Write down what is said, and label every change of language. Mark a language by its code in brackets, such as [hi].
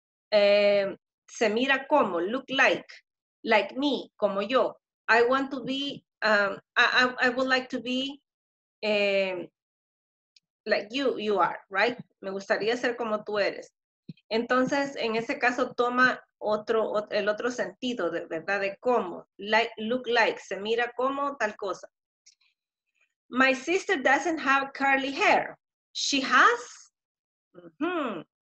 [es] Se mira como, [en] look like me, [es] como yo. [en] I want to be, I would like to be like you are, right? [es] Me gustaría ser como tú eres. Entonces, en ese caso, toma el otro sentido, de ¿verdad? De cómo, like, look like, se mira como tal cosa. [en] My sister doesn't have curly hair. She has? Mm-hmm.